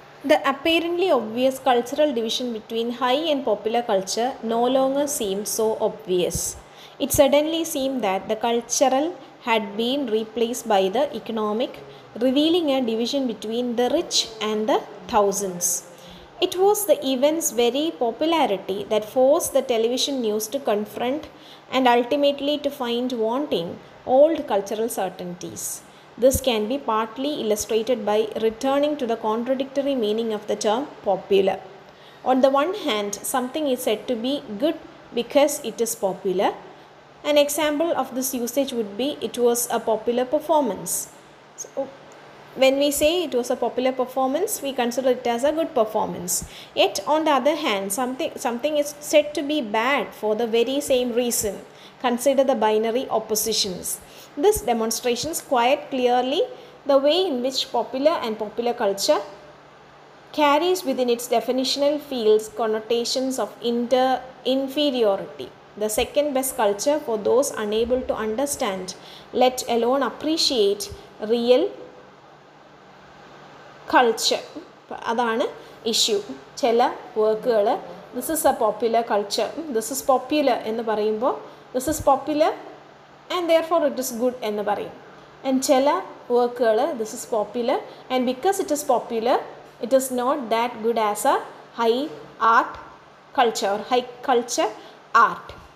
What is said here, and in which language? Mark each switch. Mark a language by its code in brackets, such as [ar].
[en] The apparently obvious cultural division between high and popular culture no longer seem so obvious. It suddenly seem that the cultural had been replaced by the economic, revealing a division between the rich and the thousands. It was the event's very popularity that forced the television news to confront and ultimately to find wanting old cultural certainties. This can be partly illustrated by returning to the contradictory meaning of the term popular. On the one hand, something is said to be good because it is popular. An example of this usage would be it was a popular performance. So, when we say it was a popular performance, we consider it as a good performance. Yet on the other hand, something is said to be bad for the very same reason. Consider the binary oppositions. This demonstrates quite clearly the way in which popular and popular culture carries within its definitional fields connotations of inferiority. The second best culture for those unable to understand, let alone appreciate real culture. [ml] അതാണ് issue. ചില വർക്കുകൾ [en] this is a popular culture, this is popular [ml] എന്ന് പറയുമ്പോൾ [en] this is popular and therefore it is good [ml] എന്ന് പറയും. [en] and [ml] ചില വർക്കുകൾ [en] This is popular and because it is popular it is not that good as a high art culture or high culture art.